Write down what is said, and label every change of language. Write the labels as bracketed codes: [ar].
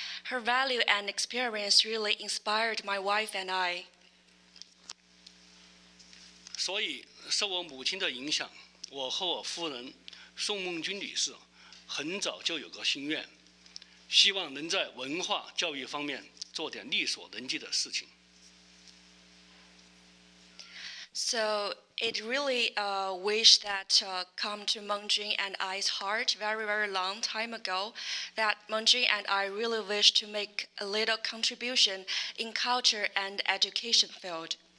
[en] Her value and experience really inspired my wife and I. [zh] 所以受我母亲的影响，我和我夫人宋孟军女士很早就有个心愿。希望能在文化教育方面做点力所能及的事情。So [en] it really wish that come to Mengjun and I's heart very, very long time ago that Mengjun and I really wish to make a little contribution in culture and education field.